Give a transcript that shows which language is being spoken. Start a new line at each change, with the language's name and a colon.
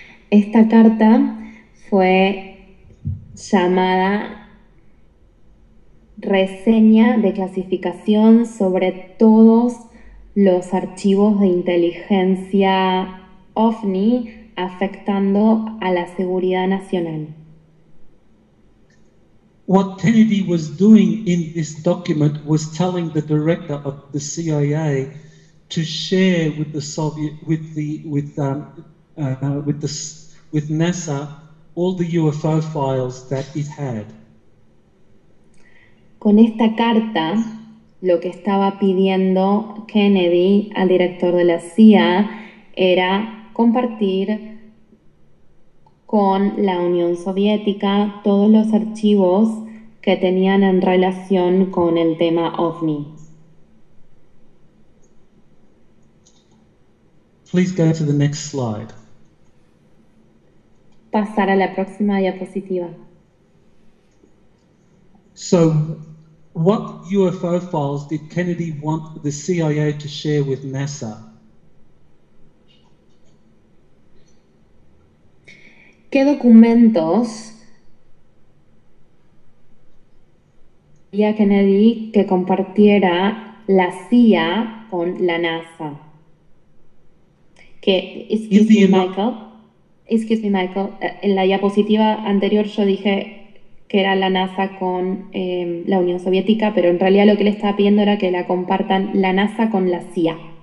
Spanish: Esta carta fue llamada Reseña de Clasificación sobre todos los archivos de inteligencia OVNI afectando a la seguridad nacional.
English: What Kennedy was doing in this document was telling the director of the CIA to share with the Soviet, with NASA all the UFO files that it had.
Spanish: Con esta carta, lo que estaba pidiendo Kennedy al director de la CIA era compartir con la Unión Soviética todos los archivos que tenían en relación con el tema OVNI.
English: Please go to the next slide.
Spanish: Pasar a la próxima diapositiva.
English: So, what UFO files did Kennedy want the CIA to share with NASA?
Spanish: ¿Qué documentos y a Kennedy que compartiera la CIA con la NASA? Que,
English: excuse me,
Spanish: Michael, en la diapositiva anterior yo dije que era la NASA con la Unión Soviética, pero en realidad lo que le estaba pidiendo era que la compartan la NASA con la CIA.